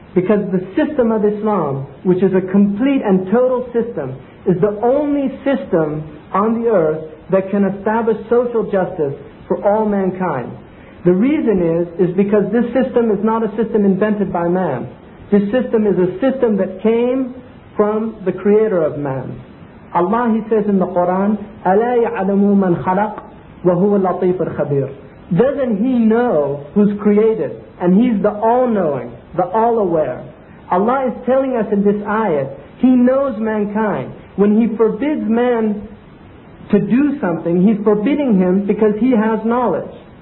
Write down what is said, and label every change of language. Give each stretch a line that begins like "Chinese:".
English: Because the system of Islam, which is a complete and total system, is the only system on the earth that can establish social justice for all mankind. The reason is because this system is not a system invented by man. This system is a system that came from the creator of man. Allah, he says in the Quran,
Arabic: أَلَا يَعْلَمُ مَنْ خَلَقْ وَهُوَ اللَّطِيفُ الْخَبِيرُ.
English: Doesn't he know who's created? And he's the all-knowing, the all-aware. Allah is telling us in this ayat, he knows mankind. When he forbids man to do something, he's forbidding him because he has knowledge.